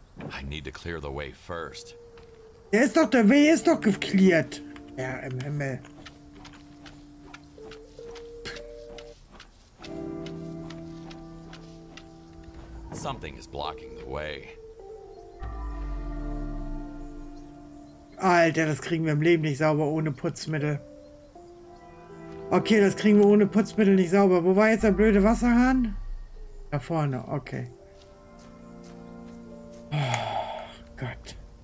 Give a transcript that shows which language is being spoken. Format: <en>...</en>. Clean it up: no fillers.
<en>I need to clear the way first.</en> <de>Der ist doch, der Weg ist doch geklärt. Ja, im Himmel.</de> <en>Something is blocking the way.</en> <de>Alter, das kriegen wir im Leben nicht sauber ohne Putzmittel. Okay, das kriegen wir ohne Putzmittel nicht sauber. Wo war jetzt der blöde Wasserhahn? Da vorne, okay. Gott.</de>